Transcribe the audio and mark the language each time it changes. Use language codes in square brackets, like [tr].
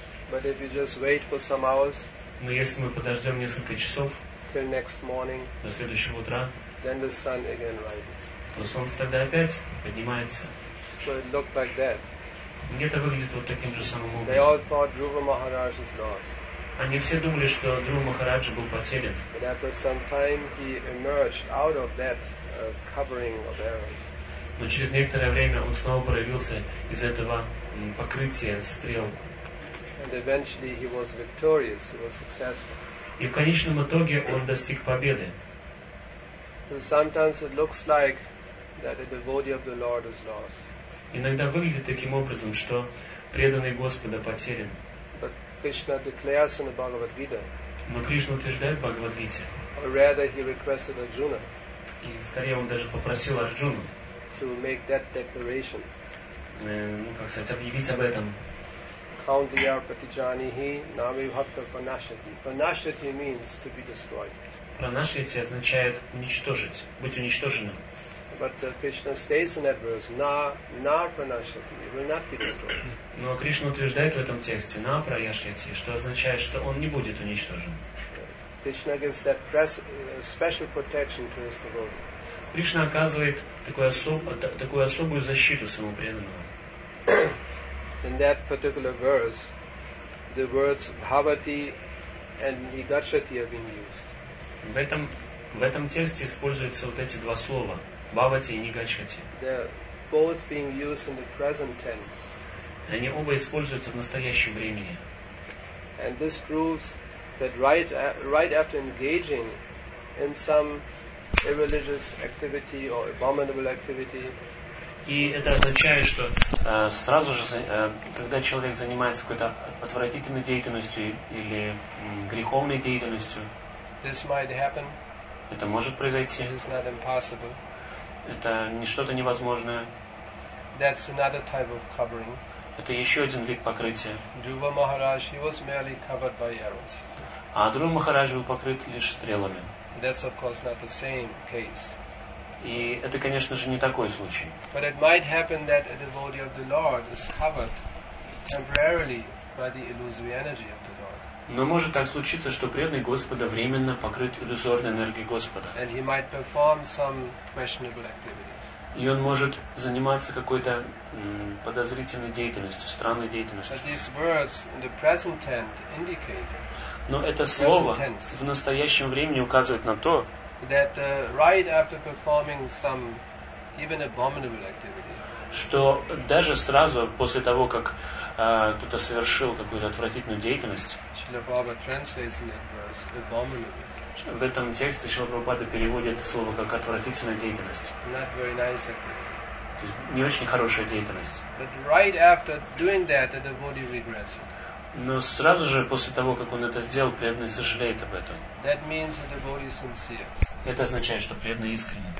[en] But if you just wait for some hours. [ru] Но если мы подождем несколько часов. [en] Till next morning, [ru] до следующего утра, [en] then the sun again rises. [ru] То солнце тогда опять поднимается. [en] So it looked like that. [ru] Где-то выглядит вот таким же самым образом. [en] They all thought Dhruva Maharaj is lost. [ru] Они все думали, что Друва Махараджа был потерян. [en] But after some time, he emerged out of that covering of arrows. [ru] Но через некоторое время он снова проявился из этого покрытия стрел. [en] And eventually he was victorious. He was successful. [ru] И в конечном итоге он достиг победы. [en] Sometimes it looks like that a devotee of the Lord is lost. [ru] Иногда выглядит таким образом, что преданный Господа потерян. [en] But Krishna declares in the Bhagavad Gita. [ru] Но Кришна утверждает в Бхагавад-гите. [en] Or rather, he requested Arjuna. [ru] И скорее он даже попросил Арджуну. [en] To make that declaration. [ru] Ну как сказать, объявить об этом. [sa] Kaundinya pratijanihi namivhatta pranashati. [en] Pranashati means to be destroyed. [ru] Pranashati означает уничтожить, быть уничтоженным. [en] But Krishna states in that verse, [sa] na pranashati, [en] you will not be destroyed. [ru] Но Кришна утверждает в этом тексте, [sa] на праяшати, [ru] что означает, что он не будет уничтожен. [en] Krishna gives that special protection to his devotee. [ru] Кришна оказывает такую особую защиту своему преданному. [en] In that particular verse, the words bhavati and nigacchati have been used. [ru] В этом тексте используются вот эти два слова bhavati и nigacchati. [en] They're both being used in the present tense. [ru] Они оба используются в настоящем времени. [en] And this proves that right after engaging in some irreligious activity or abominable activity. [ru] И это означает, что сразу же, когда человек занимается какой-то отвратительной деятельностью или греховной деятельностью, [en] this might happen. [ru] Это может произойти. [en] It is not impossible. [ru] Это не что-то невозможное. [en] That's another type of covering. [ru] Это еще один вид покрытия. [en] Dhruva Maharaj, he was merely covered by arrows. [ru] А Друва Махарадж был покрыт лишь стрелами. [en] That's of course not the same case. [ru] И это, конечно же, не такой случай. [en] But it might happen that a devotee of the Lord is covered temporarily by the illusory energy of the Lord. [ru] Но может так случиться, что преданный Господа временно покрыт иллюзорной энергией Господа. [en] And he might perform some questionable activities. [ru] И он может заниматься какой-то подозрительной деятельностью, странной деятельностью. [en] But these words in the present tense indicate. [ru] Но это слово в настоящем времени указывает на то. [en] That right after performing some even abominable activity. [ru] Что даже сразу после того, как кто-то совершил какую-то отвратительную деятельность. [en] Шрила Прабхупада translates in that verse abominable. [ru] В этом тексте Шрила Прабхупада переводит слово как отвратительная деятельность. [en] Not very nice activity. [ru] То есть не очень хорошая деятельность. [en] But right after doing that, the devotee regrets it. [ru] Но сразу же после того, как он это сделал, преданный сожалеет об этом. [en] That means the devotee is sincere. [ru] Это означает, что преданный искренен.